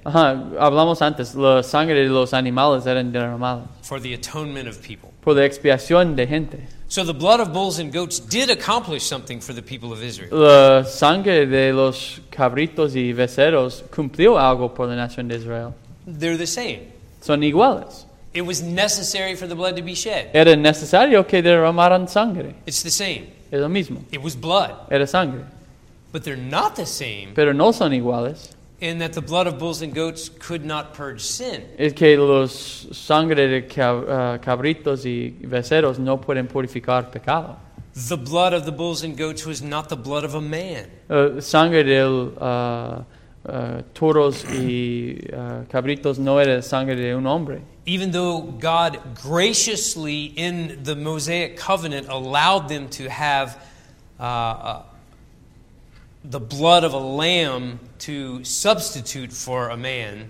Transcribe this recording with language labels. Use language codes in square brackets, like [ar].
[es] Hablamos antes, la sangre de los animales eran derramadas. [en] For the atonement of people. [es] Por la expiación de gente. [en] So the blood of bulls and goats did accomplish something for the people of Israel. [es] La sangre de los cabritos y becerros cumplió algo por la nación de Israel. [en] They're the same. [es] Son iguales. [en] It was necessary for the blood to be shed. [es] Era necesario que derramaran sangre. [en] It's the same. [es] Es lo mismo. [en] It was blood. [es] Era sangre. [en] But they're not the same. [es] Pero no son iguales. [en] In that the blood of bulls and goats could not purge sin. [es] Es que los sangre de cabritos y becerros no pueden purificar pecado. [en] The blood of the bulls and goats was not the blood of a man. [es] Sangre del toros y cabritos no era sangre de un hombre. [en] Even though God graciously in the Mosaic covenant allowed them to have the blood of a lamb to substitute for a man.